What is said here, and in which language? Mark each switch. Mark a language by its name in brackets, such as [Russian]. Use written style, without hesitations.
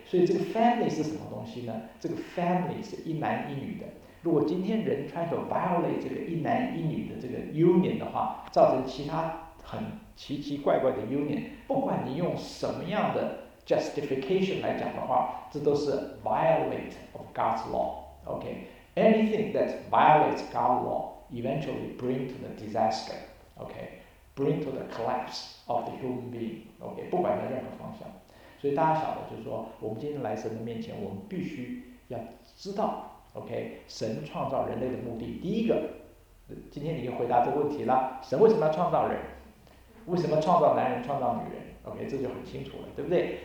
[Chinese] 所以这个 family 是什么东西呢？这个 family 是一男一女的。如果今天人 [English] try to violate [Chinese] 这个一男一女的这个 union 的话，造成其他很奇奇怪怪的 union， 不管你用什么样的 justification 来讲的话，这都是 [English] violate of God's law。 OK， anything that violates God's law eventually bring to the disaster。 OK， bring to the collapse of the human being。OK， [Chinese] 不管在任何方向。所以大家晓得，就是说我们今天来神的面前，我们必须要知道 OK 神创造人类的目的。第一个，今天你就回答这个问题了，神为什么要创造人，为什么创造男人创造女人， OK 这就很清楚了，对不对？